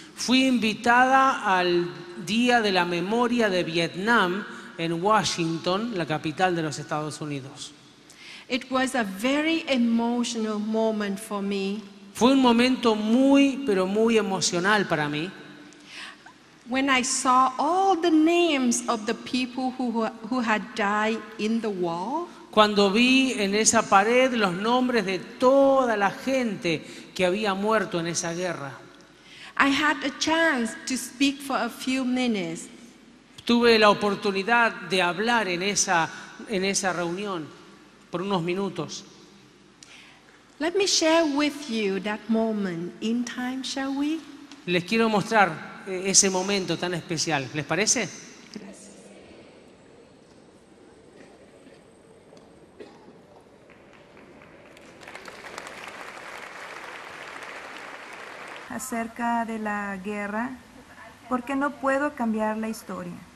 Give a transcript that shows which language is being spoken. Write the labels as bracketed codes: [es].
[es] Fui invitada al Día de la Memoria de Vietnam en Washington, la capital de los Estados Unidos. [en] It was a very emotional moment for me. [es] Fue un momento muy, pero muy emocional para mí. [en] When I saw all the names of the people who had died in the war, [es] cuando vi en esa pared los nombres de toda la gente que había muerto en esa guerra, [en] I had a chance to speak for a few minutes. [es] Tuve la oportunidad de hablar en esa reunión por unos minutos. [en] Let me share with you that moment in time, shall we? [es] Les quiero mostrar ese momento tan especial, ¿les parece? Gracias. Acerca de la guerra, porque no puedo cambiar la historia.